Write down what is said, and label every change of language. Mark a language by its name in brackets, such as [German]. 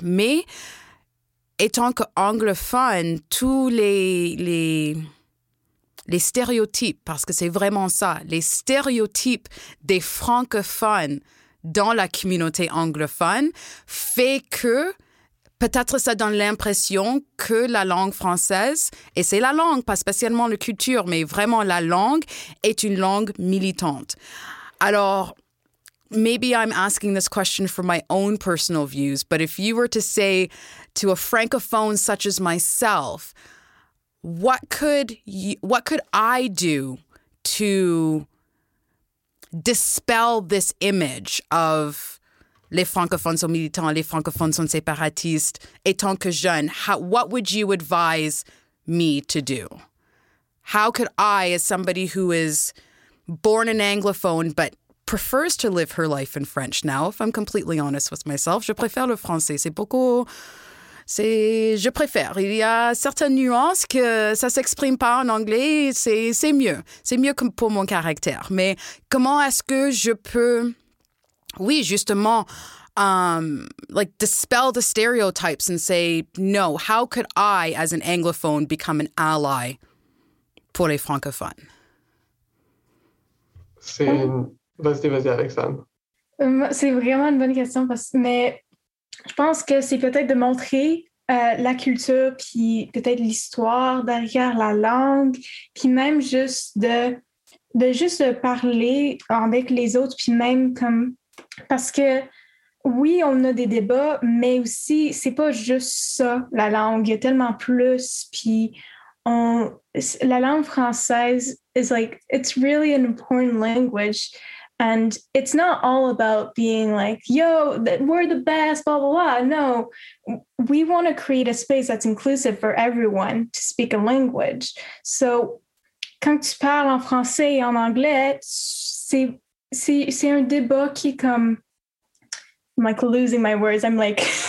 [French] Mais étant qu'anglophone, tous les stéréotypes, parce que c'est vraiment ça, les stéréotypes des francophones dans la communauté anglophone fait que peut-être ça donne l'impression que la langue française, et c'est la langue, pas spécialement la culture, mais vraiment la langue, est une langue militante. [English] Alors, maybe I'm asking this question for my own personal views, but if you were to say to a francophone such as myself, what could I do to dispel this image of [French] les francophones sont militants, les francophones sont séparatistes, étant que jeune, [English] what would you advise me to do? How could I, as somebody who is born an anglophone but prefers to live her life in French now, if I'm completely honest with myself, [French] je préfère le français, c'est beaucoup, c'est, je préfère. Il y a certaines nuances que ça ne s'exprime pas en anglais, c'est mieux pour mon caractère. Mais comment est-ce que je peux... Oui, justement, [English] like dispel the stereotypes and say, no, how could I, as an anglophone, become an ally [French] pour les francophones? Vas-y, Alexandre. C'est vraiment une bonne question, mais je pense que c'est peut-être de montrer la culture, puis peut-être l'histoire derrière la langue, puis même juste de parler avec les autres, puis même comme... Parce que, oui, on a des débats, mais aussi, c'est pas juste ça, la langue. Il y a tellement plus, puis la langue française [English] is like, it's really an important language, and it's not all about being like, yo, we're the best, blah, blah, [French] blah. [English] No, we want to create a space that's inclusive for everyone to speak a language. [French] So, quand tu parles en français et en anglais, c'est un débat qui est comme... [English] I'm like losing my words. I'm like...